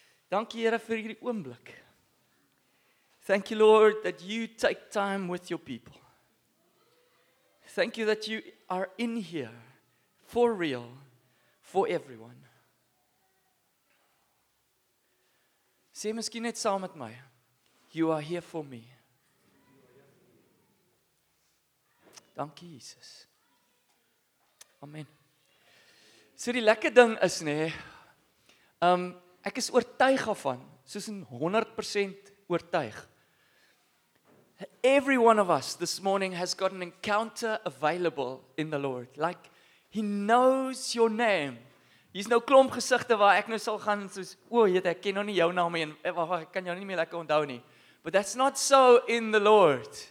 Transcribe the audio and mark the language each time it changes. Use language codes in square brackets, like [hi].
[af] Dankie, Here, vir hierdie oomblik. [en] Thank you, Lord, that you take time with your people. Thank you that you are in here for real, for everyone. [af] Sê miskien net saam met my, [en] you are here for me. [af] Dankie, Jesus. Amen. So die lekker ding is, ek is oortuig daarvan, soos 100% oortuig. [en] Every one of us this morning has got an encounter available in the Lord. Like, He knows your name. [af] Hier's nou klomp gesigte waar ek nou sal gaan soos, ek ken nou nie jou naam en ek kan jou nie meer lekker onthou nie. [en] But that's not so in the Lord.